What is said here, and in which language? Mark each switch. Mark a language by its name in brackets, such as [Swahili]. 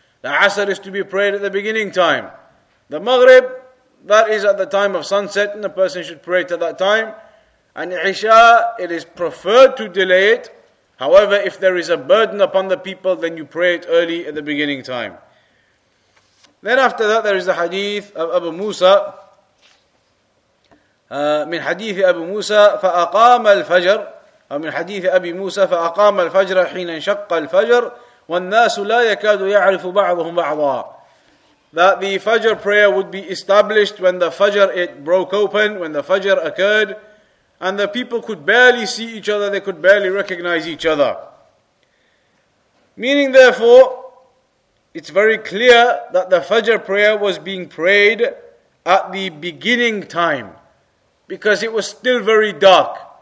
[English] The Asr is to be prayed at the beginning time. The Maghrib, that is at the time of sunset, and the person should pray it at that time. And Isha, it is preferred to delay it. However, if there is a burden upon the people, then you pray it early at the beginning time. Then after that, there is the hadith of Abu Musa. [Arabic] Min hadith Abu Musa, فَأَقَامَ الْفَجْرِ ومن حديث أبي موسى فأقام الفجر حين انشق الفجر والناس لا يكاد يعرف بعضهم بعضا. [English] That the Fajr prayer would be established when the Fajr it broke open, when the Fajr occurred, and the people could barely see each other, they could barely recognize each other. Meaning therefore, it's very clear that the Fajr prayer was being prayed at the beginning time, because it was still very dark.